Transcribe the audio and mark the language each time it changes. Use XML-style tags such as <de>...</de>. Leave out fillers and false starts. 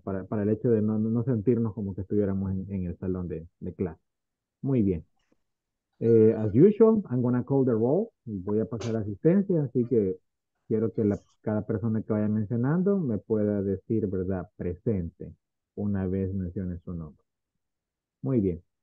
<es>Para el hecho de no sentirnos como que estuviéramos en el salón de clase. Muy bien.</es> <en>As usual, I'm going to call the roll.</en> <es>Voy a pasar asistencia, así que quiero que cada persona que vaya mencionando me pueda decir, ¿verdad? Presente una vez mencione su nombre. Muy bien.</es>